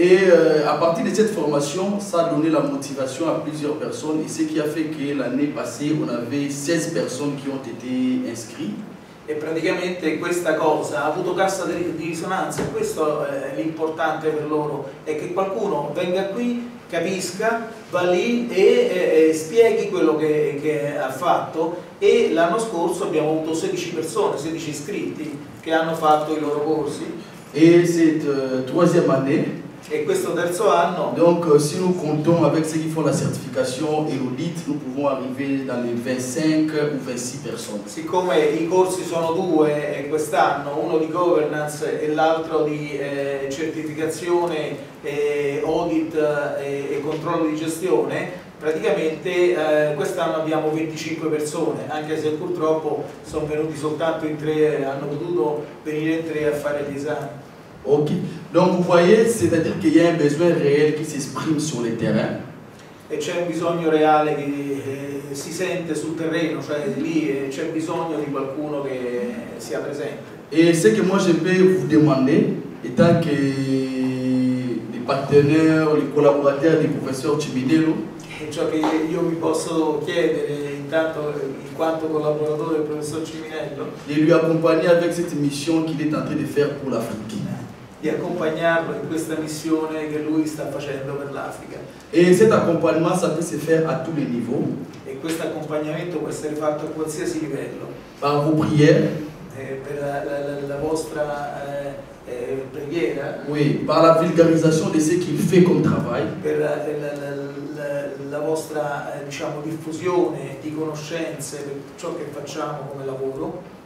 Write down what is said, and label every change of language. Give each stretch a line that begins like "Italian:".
French: Et à partir de cette formation, ça a donné la motivation à plusieurs personnes. Et ce qui a fait que l'année passée, on avait 16 personnes qui ont été inscrites. Et
Italian: praticamente, questa cosa ha avuto cassa di risonanza. Questo è l'importante per loro: è che qualcuno venga qui, capisca, va lì e spieghi quello che ha fatto. E l'anno scorso abbiamo avuto 16 persone, 16 iscritti che hanno fatto i loro corsi.
French: Et cette troisième année. Et
Italian: questo terzo anno.
French: Donc, si nous comptons avec ceux qui font la certification et l'audit, nous pouvons arriver dans les 25 ou 26 personnes.
Italian: Siccome i corsi sono due quest'anno, uno di governance e l'altro di certificazione, audit e controllo di gestione, praticamente quest'anno abbiamo 25 persone, anche se purtroppo sono venuti soltanto in tre, hanno potuto venire in tre a fare gli esami.
French: Ok, donc vous voyez, c'est-à-dire qu'il y a un besoin réel qui s'exprime sur le terrain.
Italian: E c'è un bisogno reale che si sente sul terreno, cioè lì c'è bisogno di qualcuno che sia presente.
French: Et ce que moi je peux vous demander, étant que les partenaires, les collaborateurs du professeur Ciminello.
Italian: E ciò che io vi posso chiedere, intanto, in quanto collaboratore del professor Ciminello. Di lui
French: accompagner avec cette mission qu'il est en train de faire pour l'Afrique.
Italian: Di accompagnarlo in questa missione che lui sta facendo per l'Africa. E
French: cet accompagnement ça peut se faire à tous les niveaux.
Italian: E questo accompagnamento può essere fatto a qualsiasi livello.
French: Par vos prières.
Italian: Per la vostra preghiera.
French: Oui, par la vulgarisation de ce qu'il fait comme travail.
Italian: Per la vostra, diciamo, diffusione di conoscenze per ciò che facciamo come lavoro.